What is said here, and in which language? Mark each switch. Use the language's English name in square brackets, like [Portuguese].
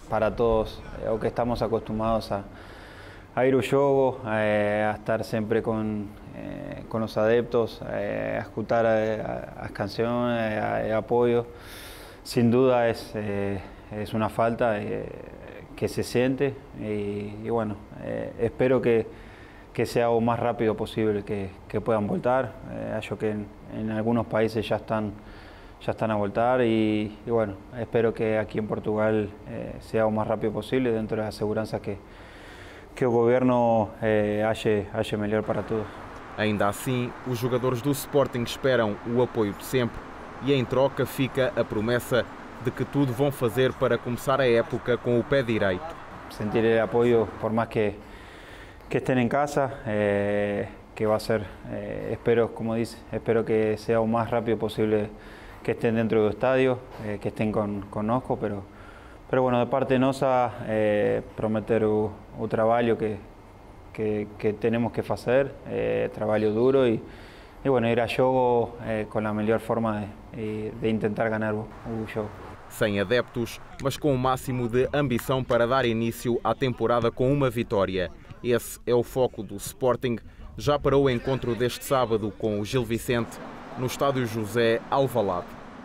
[Portuguese] Para todos, o que estamos acostumados a ir ao jogo, a estar sempre com os adeptos, a escutar as canções, o apoio, sem dúvida é uma falta que se sente e bueno, [Spanish] espero que sea o más rápido posible que puedan [Portuguese] voltar. Acho que [Spanish] en algunos países ya están a voltar y bueno, espero que aquí en Portugal sea o más rápido posible dentro de la seguridad que el gobierno haya mejor para todos. [Portuguese] Ainda [Spanish] así, los jugadores del Sporting esperan el apoyo de siempre y en [Portuguese] troca fica [Spanish] la promesa [Portuguese] de que tudo vão fazer para começar a época com o pé direito. Sentir o apoio, por mais que [Spanish] estén en casa, que va a ser, espero, como dice, espero que sea lo más rápido posible que estén dentro del estadio, que estén con nosotros, pero bueno, de parte nuestra, prometer un trabajo que tenemos que hacer, trabajo duro y bueno, ir a juego con la mejor forma de intentar ganar un juego. [Portuguese] Sem adeptos, mas com o máximo de ambição para dar início à temporada com uma vitória. Esse é o foco do Sporting, já para o encontro deste sábado com o Gil Vicente, no Estádio José Alvalade.